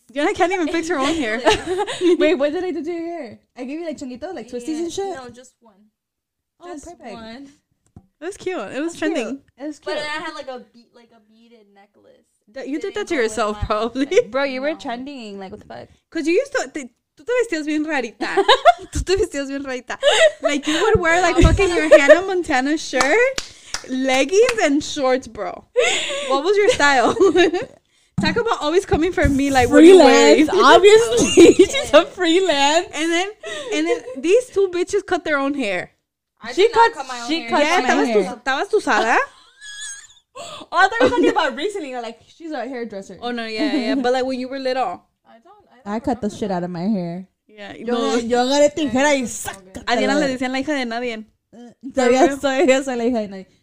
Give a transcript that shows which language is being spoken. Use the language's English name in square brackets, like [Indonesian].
[English] Diana can't even fix her own hair. Wait, what did I do to your hair? I gave you like chunguito, like twisties and shit? No, just one. Oh, just perfect. One. That was cute. It was trending. It was cute. But I had like a beaded necklace. You did that to yourself, probably. Bro, you were trending. Like, what the fuck? Because you used to... [Spanish] Tú te vestías bien rarita. Tú te vestías bien rarita. [English] Like, you would wear like fucking your Hannah Montana shirt, leggings, and shorts, bro. What was your style? Talk about always coming for me, like, freelance, what are you wearing? Obviously, she's a freelance. And then these two bitches cut their own hair. She cut my hair. Yeah, I thought you were talking about recently. Like, she's a hairdresser. Oh, no, yeah. But, like, when you were little. I cut the shit out of my hair. Yeah. [Spanish] Yo agarré tijera y saca. A Diana le decían la hija de nadie. Todavía soy la hija de nadie.